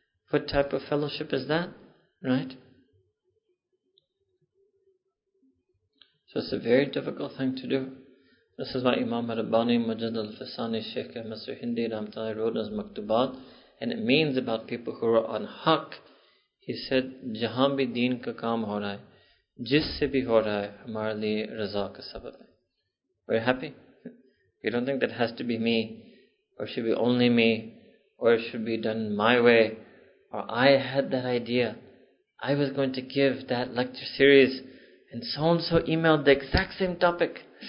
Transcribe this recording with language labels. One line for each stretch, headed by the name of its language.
English: What type of fellowship is that? Right? So it's a very difficult thing to do. This is why Imam Rabbani Mujad al-Fasani, Sheikh Masr Hindi, Ramtali wrote as Maktubat. And it means about people who are on haq. He said,
Urdu: جہاں بھی دین کا کام ہو رہا ہے. جس سے بھی ہو رہا ہے، ہمارے لیے رضا کا سبب ہے.
English: We're happy. You don't think that has to be me, or should be only me, or it should be done my way, or I had that idea. I was going to give that lecture series, and so-and-so emailed the exact same topic.